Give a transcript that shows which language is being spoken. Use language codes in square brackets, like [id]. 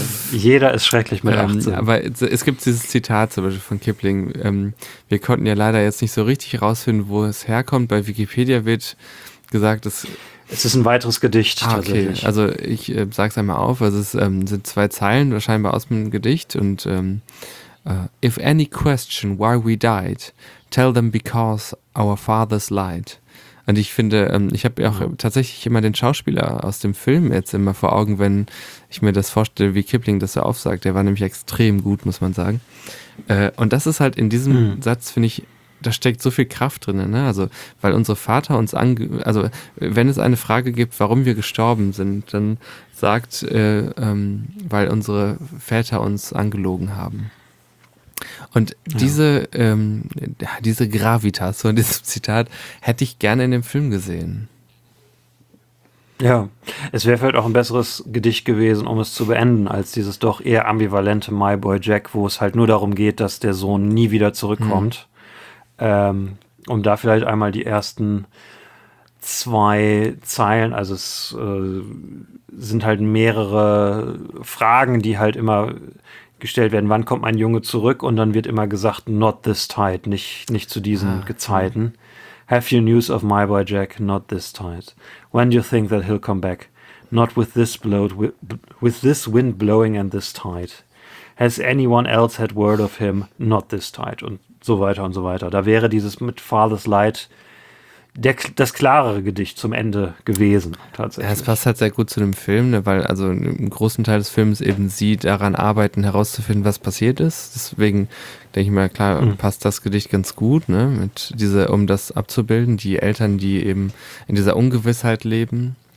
[de] Jeder ist schrecklich mit 18. Aber es gibt dieses Zitat zum Beispiel von Kipling. Wir konnten ja leider jetzt nicht so richtig rausfinden, wo es herkommt. Bei Wikipedia wird gesagt, es ist ein weiteres Gedicht. Ah, okay. Tatsächlich. Also ich sage es einmal auf. Also es sind zwei Zeilen scheinbar aus dem Gedicht. [en] Und if any question why we died, tell them because our fathers lied. [de] Und ich finde, ich habe auch tatsächlich immer den Schauspieler aus dem Film jetzt immer vor Augen, wenn ich mir das vorstelle, wie Kipling das so aufsagt. Der war nämlich extrem gut, muss man sagen. Und das ist halt in diesem Satz, finde ich, da steckt so viel Kraft drin, ne? Also, weil unsere Vater uns also wenn es eine Frage gibt, warum wir gestorben sind, dann sagt, weil unsere Väter uns angelogen haben. Und diese, ja. Diese Gravitas von diesem Zitat hätte ich gerne in dem Film gesehen. Ja, es wäre vielleicht auch ein besseres Gedicht gewesen, um es zu beenden, als dieses doch eher ambivalente My Boy Jack, wo es halt nur darum geht, dass der Sohn nie wieder zurückkommt. Um da vielleicht einmal die ersten zwei Zeilen, also es sind halt mehrere Fragen, die halt immer gestellt werden, wann kommt mein Junge zurück? Und dann wird immer gesagt, [en] not this tide, [de] nicht zu diesen Gezeiten. [en] Have you news of my boy Jack? Not this tide. When do you think that he'll come back? Not with this blow, with this wind blowing and this tide. Has anyone else had word of him? Not this tide. [de] Und so weiter und so weiter. Da wäre dieses mit Father's Light das klarere Gedicht zum Ende gewesen, tatsächlich. Ja, es passt halt sehr gut zu dem Film, ne, weil also im großen Teil des Films eben sie daran arbeiten, herauszufinden, was passiert ist. Deswegen denke ich mal, klar, passt das Gedicht ganz gut, ne, mit dieser, um das abzubilden, die Eltern, die eben in dieser Ungewissheit leben.